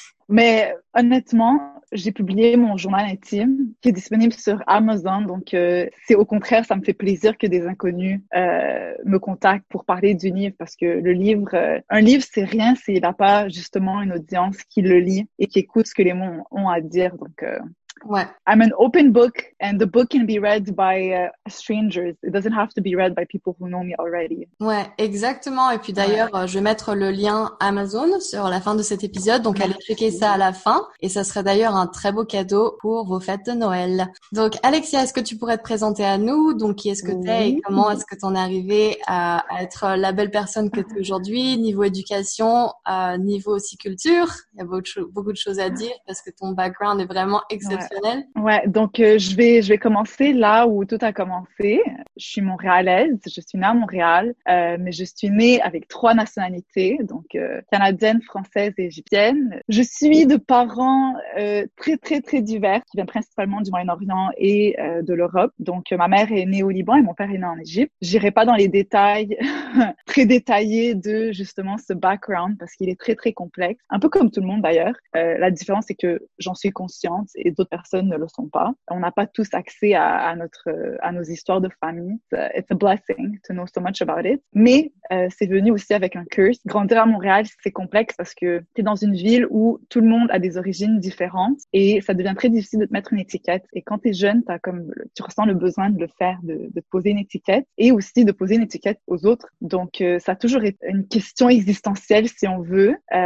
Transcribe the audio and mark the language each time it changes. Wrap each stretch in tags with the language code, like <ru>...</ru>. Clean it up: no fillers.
<fr>Mais honnêtement, j'ai publié mon journal intime qui est disponible sur Amazon. Donc, c'est au contraire, ça me fait plaisir que des inconnus me contactent pour parler du livre parce que le livre, un livre, c'est rien s'il n'a pas justement une audience qui le lit et qui écoute ce que les mots ont à dire. Donc, ouais.</fr> <en>I'm an open book and the book can be read by strangers. It doesn't have to be read by people who know me already.</en> <fr>Ouais, exactement. Et puis d'ailleurs, ouais. Je vais mettre le lien Amazon sur la fin de cet épisode. Donc, allez checker ça à la fin. Et ça serait d'ailleurs un très beau cadeau pour vos fêtes de Noël. Donc, Alexia, est-ce que tu pourrais te présenter à nous? Donc, qui est-ce que tu es? Oui. Et comment est-ce que tu en es arrivée à être la belle personne que tu es aujourd'hui, niveau éducation, niveau aussi culture? Il y a beaucoup de choses à dire parce que ton background est vraiment exceptionnel. Ouais. Ouais, donc je vais commencer là où tout a commencé. Je suis montréalaise, je suis née à Montréal, mais je suis née avec trois nationalités, donc canadienne, française et égyptienne. Je suis de parents très, très, très divers, qui viennent principalement du Moyen-Orient et de l'Europe. Donc ma mère est née au Liban et mon père est né en Égypte. J'irai pas dans les détails très détaillés de justement ce background parce qu'il est très, très complexe. Un peu comme tout le monde d'ailleurs. La différence, c'est que j'en suis consciente et d'autres personnes ne le sont pas. On n'a pas tous accès à nos histoires de famille.</fr> <en>It's a blessing to know so much about it.</en> <fr>Mais c'est venu aussi avec un curse. Grandir à Montréal, c'est complexe parce que t'es dans une ville où tout le monde a des origines différentes et ça devient très difficile de te mettre une étiquette. Et quand t'es jeune, t'as comme, tu ressens le besoin de le faire, de te poser une étiquette et aussi de poser une étiquette aux autres. Donc, ça a toujours été une question existentielle, si on veut.</fr>